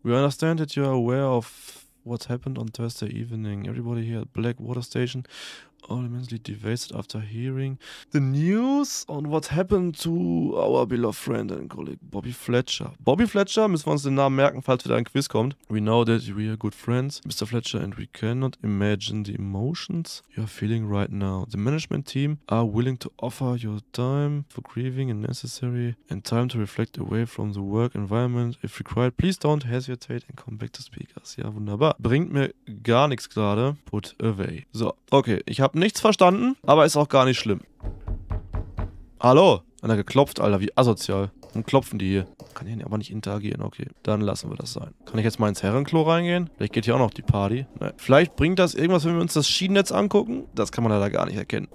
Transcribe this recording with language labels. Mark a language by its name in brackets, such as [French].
[English] We understand that you are aware of what happened on Thursday evening. Everybody here at Blackwater Station. All immensely devastated after hearing the news on what happened to our beloved friend and colleague Bobby Fletcher. [German] Bobby Fletcher, müssen wir uns den Namen merken, falls wieder ein Quiz kommt. [English] We know that we are good friends, Mr. Fletcher, and we cannot imagine the emotions you are feeling right now. The management team are willing to offer your time for grieving and necessary and time to reflect away from the work environment. If required, please don't hesitate and come back to speak us. [German] Ja, wunderbar. Bringt mir gar nichts gerade. [English] Put away. [German] So, okay, ich habe nichts verstanden, aber ist auch gar nicht schlimm. Hallo? Einer geklopft, Alter, wie asozial. Warum klopfen die hier? Kann hier aber nicht interagieren, okay. Dann lassen wir das sein. Kann ich jetzt mal ins Herrenklo reingehen? Vielleicht geht hier auch noch die Party. Nee. Vielleicht bringt das irgendwas, wenn wir uns das Schienennetz angucken? Das kann man leider gar nicht erkennen.